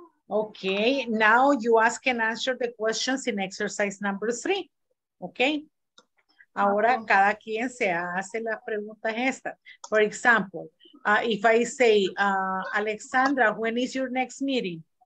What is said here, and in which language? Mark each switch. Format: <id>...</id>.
<en>Okay, now you ask and answer the questions in exercise number 3. Okay.</en> <es>Ahora cada quien se hace las preguntas estas.</es> <en>For example, if I say, Alexandra, when is your next meeting?</en>